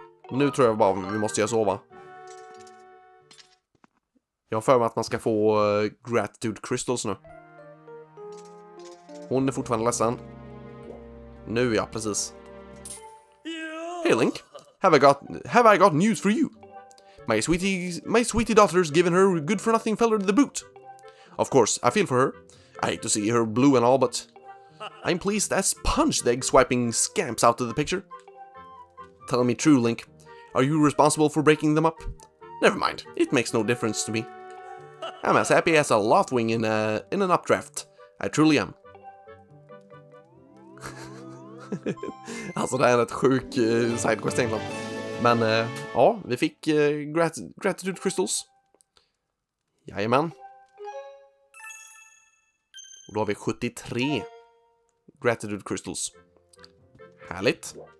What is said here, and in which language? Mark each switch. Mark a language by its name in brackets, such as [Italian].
[Swedish] Nu tror jag bara vi måste göra sova. Jag för mig att man ska få gratitude crystals nu. Hon är fortfarande ledsen. Nu ja, precis. [English] Hey Link, have I got news for you? My sweetie daughter's given her good for nothing feller the boot. Of course, I feel for her. I hate to see her blue and all, but I'm pleased as punch the egg swiping scamps out of the picture. Tell me true, Link. Are you responsible for breaking them up? Never mind. It makes no difference to me. I'm as happy as a loftwing in an updraft. I truly am. [Swedish] Alltså det här är ett sjuk sidequest egentligen. Men ja, vi fick gratitude crystals. Jajamän. Och då har vi 73 gratitude crystals. Härligt.